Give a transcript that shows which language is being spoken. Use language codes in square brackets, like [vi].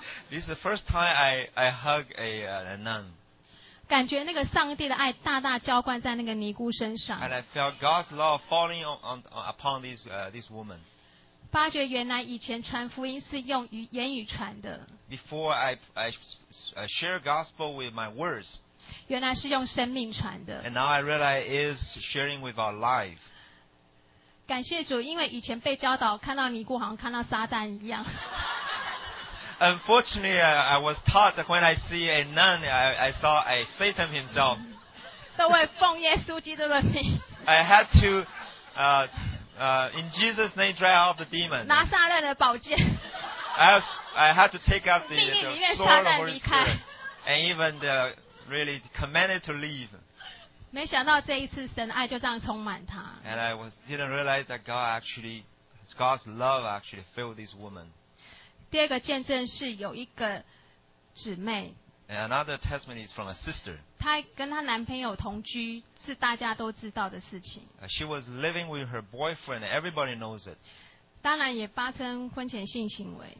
[en] This is the first time I hug a nun. [zh] 感觉那个上帝的爱大大浇灌在那个尼姑身上。 [en] And I felt God's love falling upon this woman. [zh] 发觉原来以前传福音是用言语传的。 [en] Before I share gospel with my words. [zh] 原来是用生命传的。 [en] And now I realize is sharing with our life. [zh] 感谢主，因为以前被教导看到尼姑好像看到撒旦一样。 [en] Unfortunately, I was taught that when I see a nun, I saw a Satan himself. [zh] 都会奉耶稣基督的名。 [en] I had to, in Jesus' name, drive out the demon. [zh] 拿撒勒的宝剑。 [en] I had to take out the sword of Holy Spirit, and even the really commanded to leave. [zh] 没想到这一次神爱就这样充满他。 [en] And I didn't realize that God's love actually filled this woman. [zh] 第二个见证是有一个姊妹。 [en] And another testimony is from a sister. [zh] 她跟她男朋友同居是大家都知道的事情。 [en] She was living with her boyfriend. Everybody knows it. [zh] 当然也发生婚前性行为。